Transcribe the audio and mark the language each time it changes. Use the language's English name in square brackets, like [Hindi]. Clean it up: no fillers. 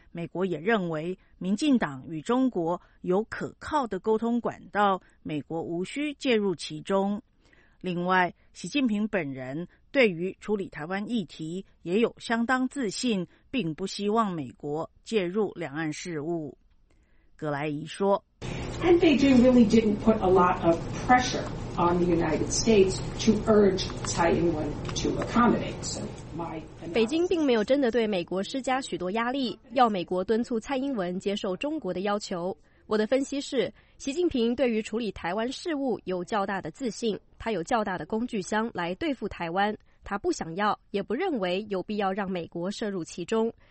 [Chinese] 美国也认为民进党与中国有可靠的沟通管道，美国无需介入其中。另外，习近平本人对于处理台湾议题也有相当自信，并不希望美国介入两岸事务。葛莱仪说， [English] And Beijing really didn't put a lot of pressure on the United States to urge Tsai Ing-wen to accommodate. So my [Chinese] 北京并没有真的对美国施加许多压力，要美国敦促蔡英文接受中国的要求。我的分析是，习近平对于处理台湾事务有较大的自信，他有较大的工具箱来对付台湾，他不想要也不认为有必要让美国涉入其中。